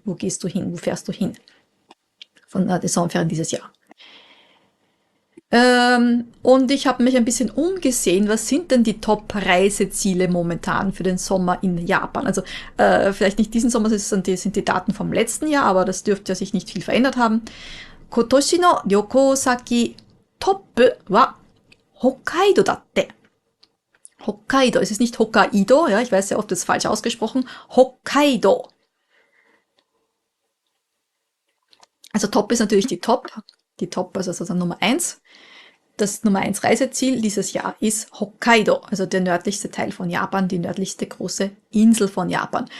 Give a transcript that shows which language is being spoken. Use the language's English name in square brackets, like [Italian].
[German] Wo gehst du hin? Wo fährst du hin? Von den Sommerferien dieses Jahr. Und ich habe mich ein bisschen umgesehen. Was sind denn die Top-Reiseziele momentan für den Sommer in Japan? Also vielleicht nicht diesen Sommer, das sind die Daten vom letzten Jahr, aber das dürfte ja sich nicht viel verändert haben. [Japanese] 今年の旅行先トップは北海道だって。 [German] 北海道、ist es nicht Hokkaido? Ja, ich weiß ja, ob das falsch ausgesprochen. Hokkaido. Also Top ist natürlich die Top. Die Top, also sozusagen Nummer 1. Das Nummer 1 Reiseziel dieses Jahr ist Hokkaido, also der nördlichste Teil von Japan, die nördlichste große Insel von Japan.